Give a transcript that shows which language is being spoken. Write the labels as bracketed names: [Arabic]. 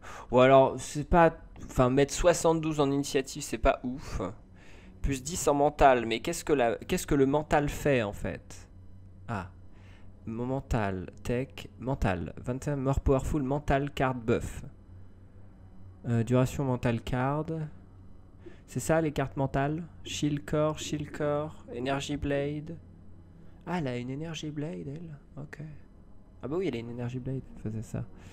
[French] Ou alors, c'est pas. Enfin, mettre 72 en initiative, c'est pas ouf. Plus 10 en mental, mais qu'est-ce que le mental fait en fait? Ah. Mon mental, tech, mental. [English] 21 more powerful, mental card buff. Duration mental card. [French] C'est ça les cartes mentales? Shield core, energy blade. Ah, elle a une energy blade elle? Ok. Ah, bah oui, elle a une energy blade, elle faisait ça.